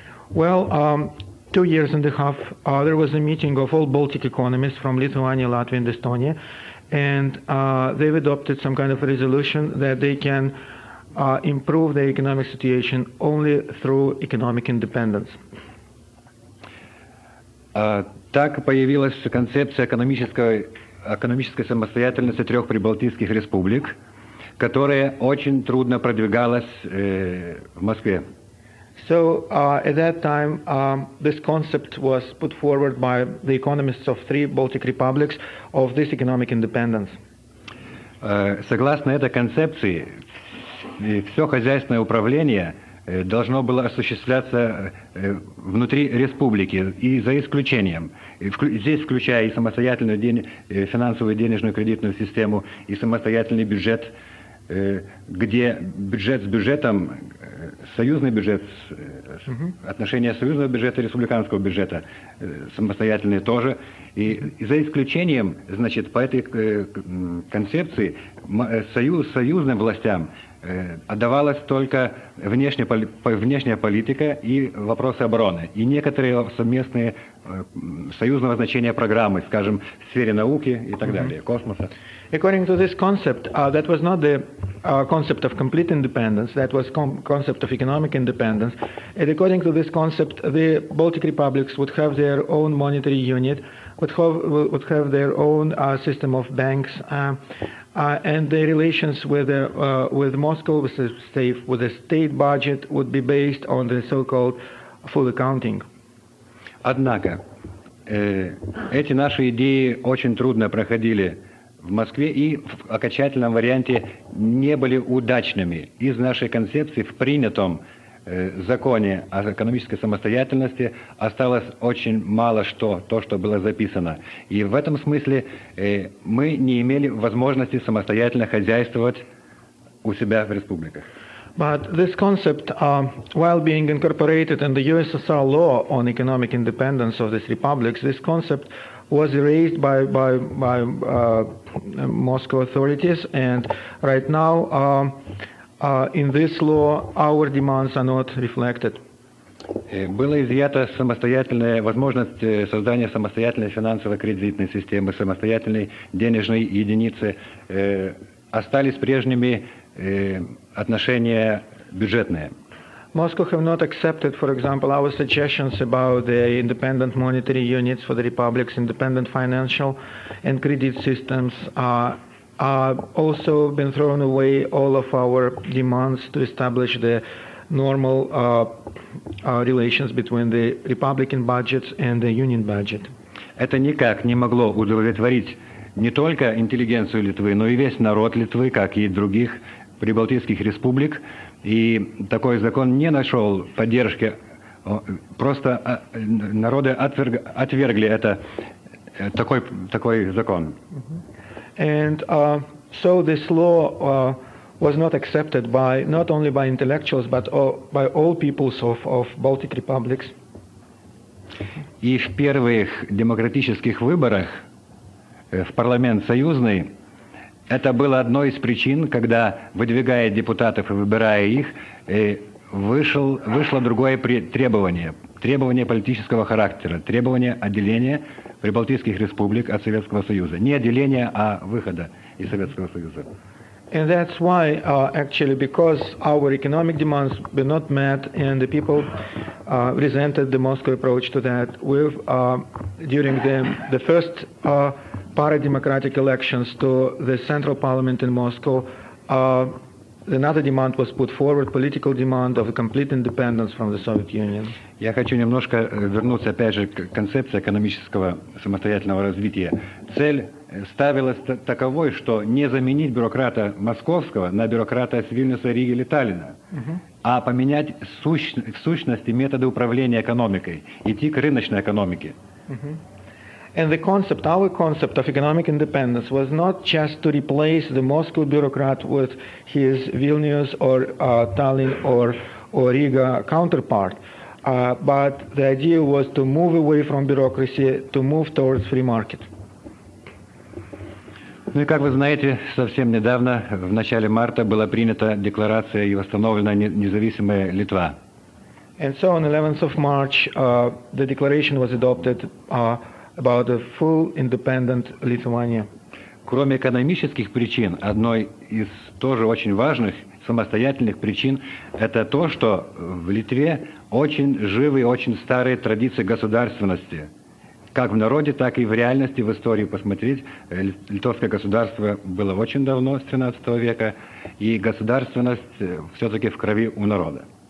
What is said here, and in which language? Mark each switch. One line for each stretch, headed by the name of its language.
English: Well, two years and a half, there was a meeting of all Baltic economists from Lithuania, Latvia and Estonia, and they've adopted some kind of a resolution that they can improve the economic situation only through economic independence.
Russian: Так появилась концепция экономической самостоятельности трех прибалтийских республик, которая очень трудно продвигалась в Москве.
English: So at that time this concept was put forward by the economists of three Baltic republics of this economic independence.
Russian: Согласно этой концепции, все хозяйственное управление должно было осуществляться внутри республики и за исключением. Здесь включая и самостоятельную финансовую денежную кредитную систему, и самостоятельный бюджет, где бюджет с бюджетом, союзный бюджет, отношения союзного бюджета и республиканского бюджета самостоятельные тоже. И за исключением, значит, по этой концепции союзным властям отдавалась только внешняя политика и вопросы обороны, и некоторые совместные союзного значения программы, скажем, в сфере науки и так далее, космоса.
English: According to this concept, that was not the concept of complete independence, that was concept of economic independence. And according to this concept, the Baltic republics would have their own monetary unit, would have their own system of banks, and their relations with Moscow, with the state budget, would be based on the so-called full accounting.
Russian: Однако, эти наши идеи очень трудно проходили в Москве и в окончательном варианте не были удачными. Из нашей концепции в принятом законе о экономической самостоятельности осталось очень мало что, то, что было записано. И в этом смысле мы не имели возможности самостоятельно хозяйствовать у себя в республиках.
English: But this concept, while being incorporated in the USSR law on economic independence of these republics, this concept was erased by Moscow authorities, and right now in this law our demands are not reflected.
Russian: Была изъята самостоятельная возможность создания самостоятельной финансово-кредитной системы, самостоятельной денежной единицы. Остались прежними отношения бюджетные.
English: Moscow have not accepted, for example, our suggestions about the independent monetary units for the republics, independent financial and credit systems. Also been thrown away all of our demands to establish the normal relations between the republican budgets and the union budget.
Russian: Это никак не могло удовлетворить не только интеллигенцию Литвы, но и весь народ Литвы, как и других прибалтийских республик. И такой закон не нашел поддержки. Просто народы отвергли это, такой закон.
English: And so this law was not accepted by not only by intellectuals, but by all peoples of Baltic republics.
Russian: И в первых демократических выборах в парламент союзный это было одной из причин, когда, выдвигая депутатов и выбирая их, вышло другое требование политического характера, требование отделения прибалтийских республик от Советского Союза. Не отделения, а выхода из Советского Союза.
English: And that's why, actually, because our economic demands were not met and the people resented the Moscow approach to that, during the first para-democratic elections to the central parliament in Moscow, another demand was put forward, political demand of a complete independence from the Soviet Union.
Russian: Я хочу немножко вернуться опять же к концепции экономического самостоятельного развития. Цель ставилась таковой, что не заменить бюрократа московского на бюрократа с Вильнюса, Риги или Таллина, а поменять сущности методы управления экономикой, идти к рыночной экономике.
English: And the concept, our concept of economic independence was not just to replace the Moscow bureaucrat with his Vilnius or Tallinn or Riga counterpart, but the idea was to move away from bureaucracy, to move towards free market.
Russian: Ну и как вы знаете, совсем недавно, в начале марта, была принята декларация и восстановлена независимая Литва.
English: And so on 11th of March, the declaration was adopted about a full independent Lithuania.
Russian: Кроме экономических причин, одной из тоже очень важных самостоятельных причин это то, что в Литве очень живы, очень старые традиции государственности. Как в народе, так и в реальности, в истории посмотреть, литовское государство было очень давно, с 13 века, и государственность все-таки в крови у народа.